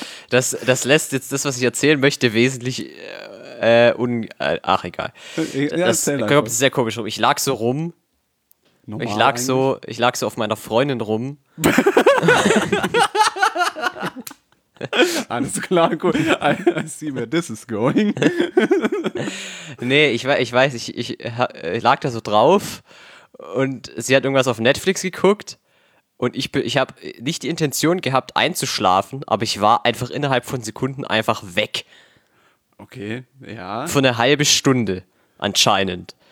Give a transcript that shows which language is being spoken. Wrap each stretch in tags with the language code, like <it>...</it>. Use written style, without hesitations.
<de>Das lässt jetzt das, was ich erzählen möchte, wesentlich. Ach, egal. Das kommt sehr komisch rum. Ich lag so rum. Normal ich lag eigentlich. So, ich lag so auf meiner Freundin rum. Alles klar, gut.</de> <en>I see where this is going.</en> <de>Nee, ich weiß, ich lag da so drauf und sie hat irgendwas auf Netflix geguckt und ich habe nicht die Intention gehabt, einzuschlafen, aber ich war einfach innerhalb von Sekunden einfach weg. Okay, ja. Für eine halbe Stunde anscheinend.</de>